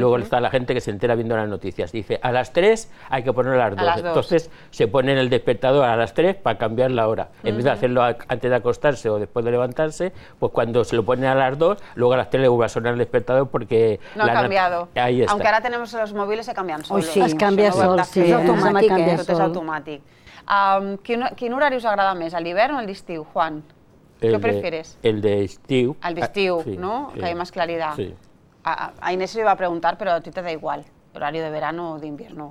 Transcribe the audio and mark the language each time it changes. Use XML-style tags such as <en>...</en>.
<es>luego está la gente que se entera viendo las noticias. Dice, a las 3 hay que poner a las 2. Entonces se pone en el despertador a las 3 para cambiar la hora. Uh-huh. En vez de hacerlo antes de acostarse o después de levantarse, pues cuando se lo pone a las 2, luego a las 3 le vuelve a sonar el despertador porque... No ha cambiado. Ahí está. Aunque ahora tenemos los móviles, se cambian solos. Sí, es cambia sol. Es automático. Es automático.</es> <ca>¿Quin horari us agrada més, a l'hivern o el d'estiu, Juan?</ca> <es>El ¿qué prefieres? El de estiu. Al de estiu, ¿no? Que hay más claridad. Sí. A Inés se iba a preguntar, pero a ti te da igual, horario de verano o de invierno.</es>